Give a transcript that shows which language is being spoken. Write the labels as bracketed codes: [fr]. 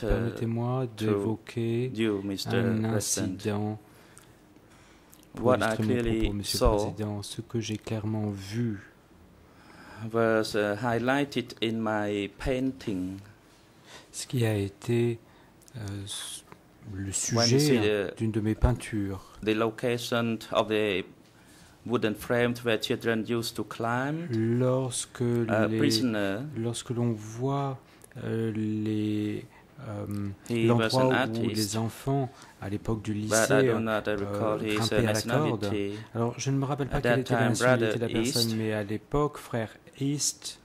[fr] Permettez-moi d'évoquer un incident pour exprimer mon propos, Monsieur le Président. Ce que j'ai clairement vu [en] was highlighted in my painting. [fr] Ce qui a été le sujet d'une de mes peintures. [en] The location of the wooden frames where children used to climb. [fr] Lorsque l'on voit les l'endroit où les enfants à l'époque du lycée grimpaient à la corde. Alors je ne me rappelle pas quelle était la nationalité de la personne, mais à l'époque, frère East,